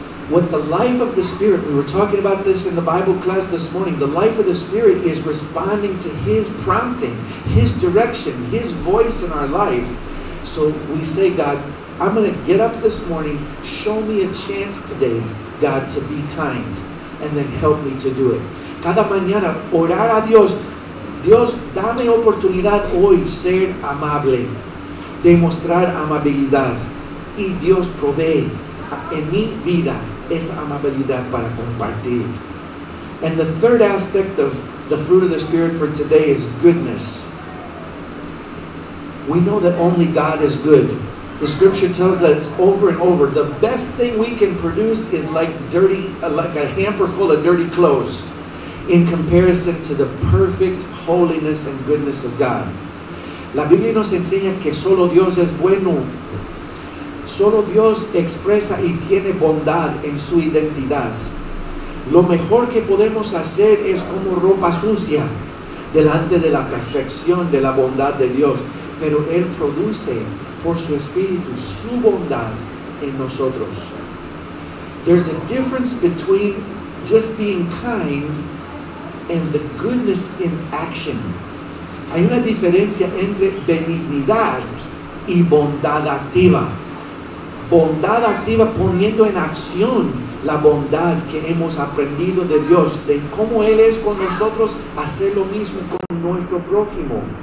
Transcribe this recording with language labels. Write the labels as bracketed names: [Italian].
[English] What the life of the Spirit, we were talking about this in the Bible class this morning, the life of the Spirit is responding to His prompting, His direction, His voice in our life. So we say, God, I'm going to get up this morning, show me a chance today, God, to be kind, and then help me to do it. [Spanish] Cada mañana, orar a Dios, Dios, dame oportunidad hoy ser amable, demostrar amabilidad, y Dios provee en mi vida esa amabilidad para compartir. [English] And the third aspect of the fruit of the Spirit for today is goodness. We know that only God is good. The scripture tells us over and over, the best thing we can produce is like a hamper full of dirty clothes in comparison to the perfect holiness and goodness of God. [Spanish] La Biblia nos enseña que solo Dios es bueno. Solo Dios expresa y tiene bondad en su identidad. Lo mejor que podemos hacer es como ropa sucia delante de la perfección de la bondad de Dios. Pero Él produce por su Espíritu su bondad en nosotros. [English] There's a difference between just being kind and the goodness in action. [Spanish] Hay una diferencia entre benignidad y bondad activa. Bondad activa poniendo en acción la bondad que hemos aprendido de Dios, de cómo Él es con nosotros, hacer lo mismo con nuestro prójimo.